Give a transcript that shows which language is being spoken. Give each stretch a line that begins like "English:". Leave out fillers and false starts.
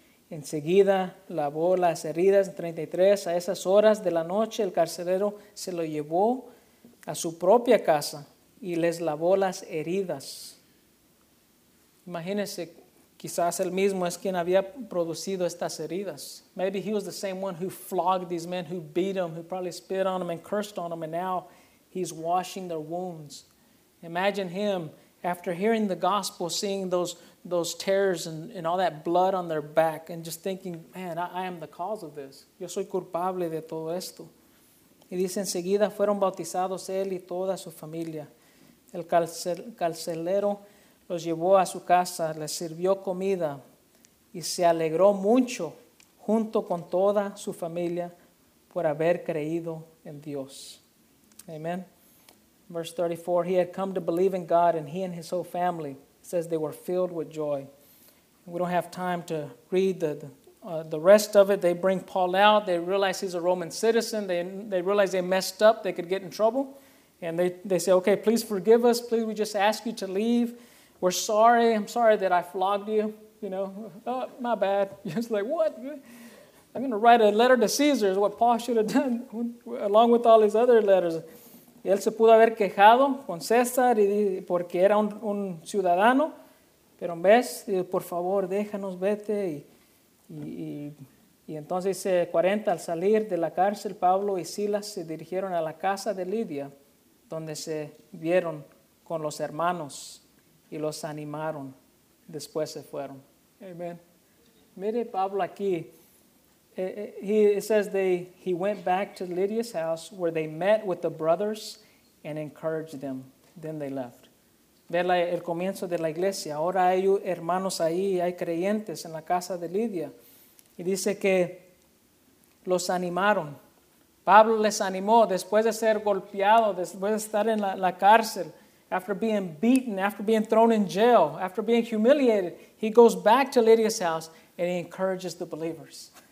Spanish: Enseguida lavó las heridas. En 33, a esas horas de la noche, el carcelero se lo llevó a su propia casa y les lavó las heridas. Imagínense, quizás él mismo es quien había producido estas heridas.
English: Maybe he was the same one who flogged these men, who beat them, who probably spit on them and cursed on them, and now he's washing their wounds. Imagine him, after hearing the gospel, seeing those tears and all that blood on their back, and just thinking, man, I am the cause of this.
Spanish: Yo soy culpable de todo esto. Y dice, enseguida fueron bautizados él y toda su familia. El carcelero los llevó a su casa, les sirvió comida, y se alegró mucho, junto con toda su familia, por haber creído en Dios. Amen.
English: Verse 34, he had come to believe in God, and he and his whole family, says they were filled with joy. We don't have time to read the rest of it. They bring Paul out. They realize he's a Roman citizen. They realize they messed up. They could get in trouble. And they say, okay, please forgive us. Please, we just ask you to leave. We're sorry. I'm sorry that I flogged you. You know, oh, my bad. He's like, what? I'm going to write a letter to Caesar, is what Paul should have done, along with all his other letters.
Spanish: Y él se pudo haber quejado con César porque era un ciudadano, pero en vez de, por favor, déjanos, vete. Y entonces dice 40, al salir de la cárcel, Pablo y Silas se dirigieron a la casa de Lidia, donde se vieron con los hermanos y los animaron. Después se fueron. Amen. Mire Pablo aquí.
English: It says he went back to Lydia's house where they met with the brothers and encouraged them. Then they left.
Spanish: Ve el comienzo de la iglesia. Ahora hay hermanos ahí, hay creyentes en la casa de Lidia. Y dice que los animaron. Pablo les animó después de ser golpeado, después de estar en la cárcel,
English: after being beaten, after being thrown in jail, after being humiliated, he goes back to Lydia's house and he encourages the believers.